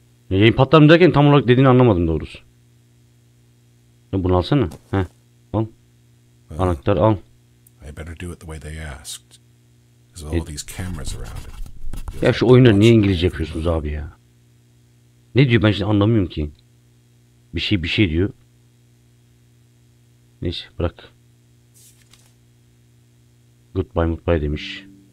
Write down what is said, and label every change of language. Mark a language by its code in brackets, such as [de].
[tr] Yayın patlar mı derken tam olarak dediğini anlamadım doğrusu. Bunu alsana. Heh. Anahtar al. [en] I better do it the way they asked. There's all these cameras around it. [tr] Ya şu oyunu niye İngilizce yapıyorsunuz abi ya? Ne diyor, ben şimdi anlamıyorum ki. Bir şey diyor. Neyse bırak. Goodbye mutbye demiş.